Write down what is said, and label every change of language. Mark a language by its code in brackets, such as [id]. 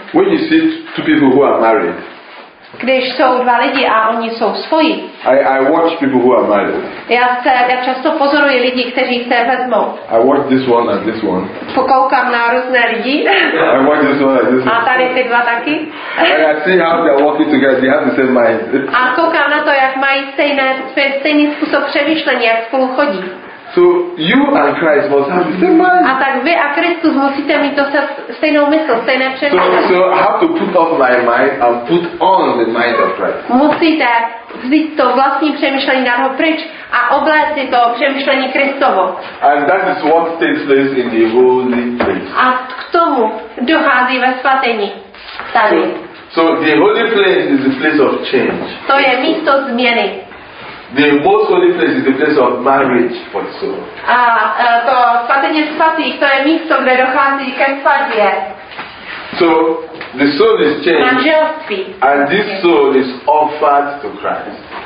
[en] When you see two people who are married, [cs] když jsou dva lidi a oni jsou svoji. [en] I watch people who are married. [cs] Já často pozoruji lidi, kteří se vezmou. [en] I watch this one and this one. [cs] Pokoukám na různé lidi. [en] I watch this one and this one. [cs] A tady ty dva taky. [en] And I see how they are walking together. They have the same mind. [cs] A koukám na to, jak mají stejný způsob přemýšlení, jak spolu chodí. [en] So you and Christ must have the same mind. [cs] A tak vy a Kristus musíte mít to stejnou mysl, stejné přemýšlení. [en] So I have to put off my mind and put on the mind of Christ. [cs] Musíte vzít to vlastní přemýšlení dát ho pryč a obléct si to přemýšlení Kristovo. [en] And that is what takes place in the holy place. [cs] A k tomu dochází ve svatyni. Tady. [en] So the holy place is the place of change. [cs] To je místo změny. [en] The most holy place is the place of marriage for the soul. [cs] To svatyně svatých, to je místo, kde dochází ke svatbě. [en] So the soul is changed. [cs] Manželství. [en] And this soul is offered to Christ.